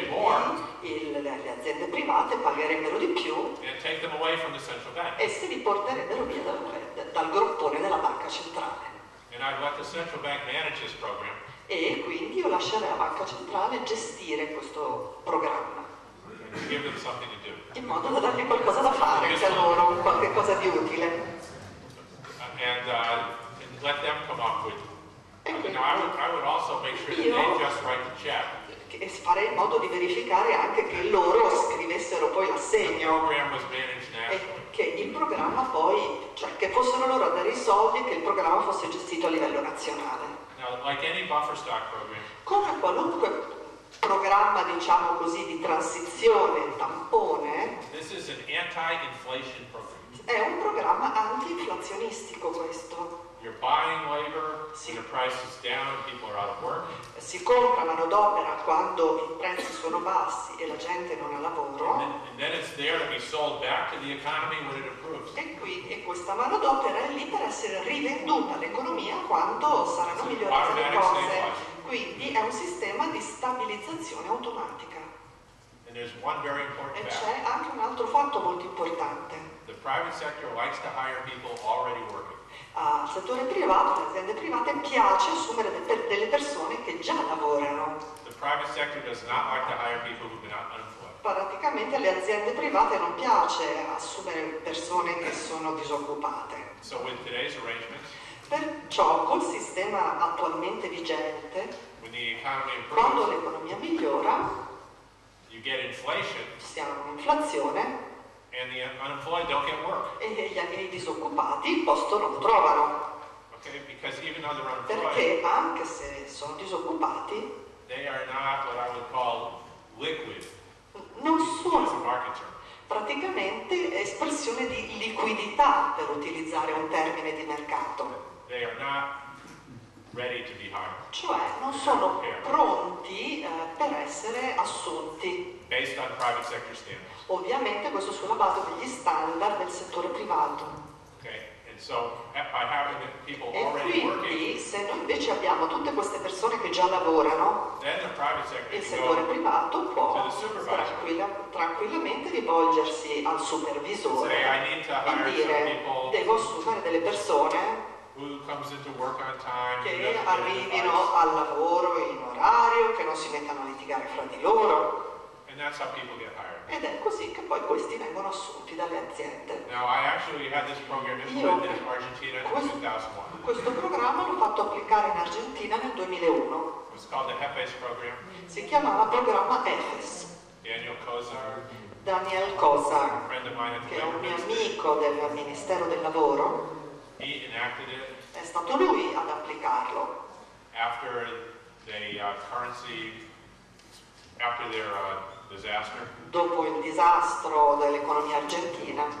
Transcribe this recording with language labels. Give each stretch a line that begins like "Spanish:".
Italian: le aziende private pagherebbero di più e se li porterebbero via dal gruppone della banca centrale.
English: And I'd let the central bank manage this program.
Italian: E quindi io lascerei la banca centrale gestire questo programma.
English: Give them something to do.
Italian: In modo da dargli qualcosa da fare anche a loro, qualche cosa di utile.
English: And let them come up with. I would also make sure that they just write the check.
Italian: E farei in modo di verificare anche che loro scrivessero poi l'assegno.
English: The program was managed now.
Italian: Che il programma poi, cioè che fossero loro a dare i soldi e che il programma fosse gestito a livello nazionale.
English: Now, like any buffer stock program,
Italian: come qualunque programma, diciamo così, di transizione, tampone,
English: this is an anti-inflation program.
Italian: È un programma anti-inflazionistico questo.
English: You're buying labor, sì. Your price is down, people are out of work.
Italian: Si compra manodopera quando i prezzi sono bassi e la gente non ha lavoro. E questa manodopera è lì per essere rivenduta all'economia quando saranno migliorate le cose. Quindi è un sistema di stabilizzazione automatica.
English: And there's one very important
Italian: e c'è anche un altro fatto molto importante.
English: The private sector likes to hire people already working.
Italian: Al settore privato, alle aziende private piace assumere delle persone che già lavorano.
English: The private sector does not like to hire people who've been unemployed.
Italian: Praticamente alle aziende private non piace assumere persone che sono disoccupate.
English: So with today's arrangements,
Italian: perciò col sistema attualmente vigente,
English: when the economy improves,
Italian: quando l'economia migliora,
English: you get inflation,
Italian: si ha un'inflazione,
English: and the unemployed don't get work.
Italian: E i disoccupati il posto non trovano.
English: Okay, because even though they're unemployed,
Italian: perché anche se sono disoccupati,
English: they are not what I would call liquid.
Italian: Non sono
English: as a market term.
Italian: Praticamente espressione di liquidità, per utilizzare un termine di mercato.
English: They are not ready to be hired.
Italian: Cioè non sono pronti per essere assunti.
English: Based on private sector standards.
Italian: Ovviamente questo sulla base degli standard del settore privato.
English: Okay. And so, by having people
Italian: e
English: already
Italian: quindi
English: working,
Italian: se noi invece abbiamo tutte queste persone che già lavorano,
English: then the private sector
Italian: il settore
English: go
Italian: privato può
English: to the supervisor.
Italian: Tranquillamente rivolgersi al supervisore e dire devo assumere delle persone che arrivino al lavoro in orario, che non si mettano a litigare fra di loro.
English: And that's how people get hired.
Italian: Ed è così che poi questi vengono assunti dalle aziende.
English: Now, I actually had this program implemented in Argentina in 2001.
Italian: Questo programma l'ho fatto applicare in Argentina nel 2001.
English: It was called the HEFES program.
Italian: Si chiamava programma HEFES.
English: Daniel Cosar, a friend of mine at the
Italian: che è un mio amico del Ministero del Lavoro,
English: he enacted it.
Italian: È stato lui ad applicarlo.
English: After the currency, after their disaster,
Italian: dopo il disastro dell'economia argentina,